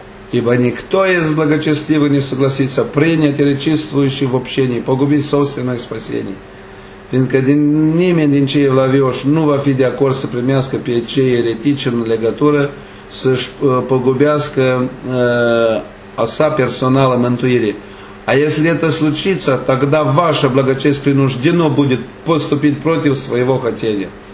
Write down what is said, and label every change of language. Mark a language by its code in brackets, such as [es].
[ru] Ибо никто из благочестивых не согласится принять речествующих в общении, погубить собственное спасение. [ro] Fiindcă nimeni din cei evlavioși nu va fi de acord să primească pe cei eretici în legătură să-și погубească a sa personală mântuire. [ru] А если это случится, тогда ваша благочесть принуждено будет поступить против своего хотения.